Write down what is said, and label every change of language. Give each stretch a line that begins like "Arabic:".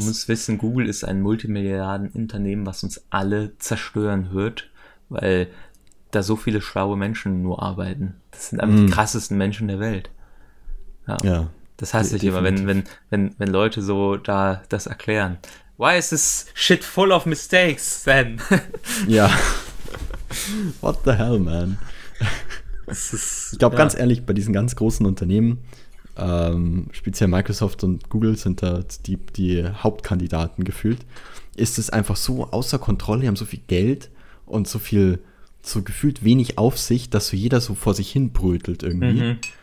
German: ist. Du musst wissen, Google ist ein Multimilliardenunternehmen, was uns alle zerstören wird, weil da so viele schlaue Menschen nur arbeiten. Das sind einfach die krassesten Menschen der Welt. Ja. Das hasse ich immer, wenn Leute so da das erklären.
English: Why is this shit full of mistakes, then? Ja. What the hell, man?
German: Ich glaube, ganz ehrlich, bei diesen ganz großen Unternehmen, speziell Microsoft und Google sind da die Hauptkandidaten gefühlt, ist es einfach so außer Kontrolle, die haben so viel Geld und so viel, so gefühlt wenig Aufsicht, dass so jeder so vor sich hin brötelt irgendwie. Mhm.